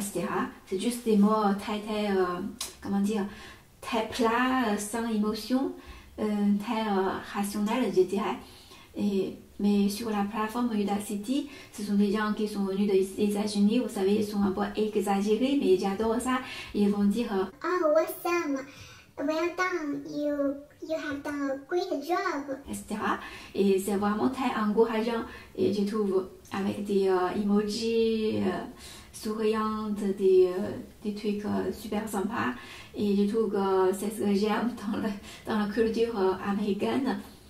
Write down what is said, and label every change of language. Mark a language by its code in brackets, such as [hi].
[fr] C'est juste des mots très plats, sans émotion, très rationnels, je dirais. Mais sur la plateforme Udacity, ce sont des gens qui sont venus des États-Unis, vous savez, ils sont un peu exagérés, mais j'adore ça. Ils vont dire [en] « Oh, awesome, well done, you have done a great job », [fr] etc. Et c'est vraiment très encourageant, et je trouve, avec des emojis, souriante, des trucs super sympas, et je trouve que c'est ce que j'aime dans la culture américaine.